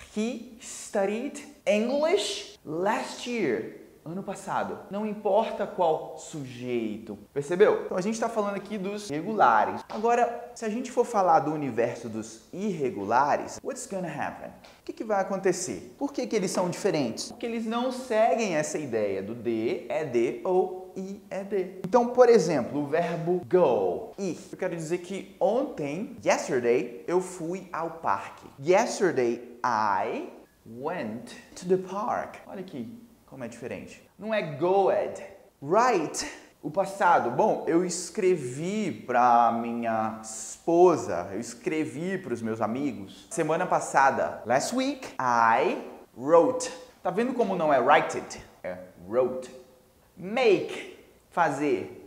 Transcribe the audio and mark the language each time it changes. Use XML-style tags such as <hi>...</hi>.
<en>He studied English last year.</en> <pt>Ano passado. Não importa qual sujeito. Percebeu? Então a gente está falando aqui dos regulares. Agora, se a gente for falar do universo dos irregulares,</pt> <en>what's gonna happen?</en> <pt>O que, que vai acontecer? Por que, que eles são diferentes? Porque eles não seguem essa ideia do D, ED ou IED. Então, por exemplo, o verbo go, ir. Eu quero dizer que ontem, yesterday, eu fui ao parque.</pt> <en>Yesterday, I went to the park.</en> <pt>Olha aqui como é diferente. Não é goed. Write. O passado. Bom, eu escrevi pra minha esposa. Eu escrevi pros meus amigos. Semana passada.</pt> <en>Last week, I wrote.</en> <pt>Tá vendo como não é</pt> <en>write it? É wrote. Make. Fazer.</en>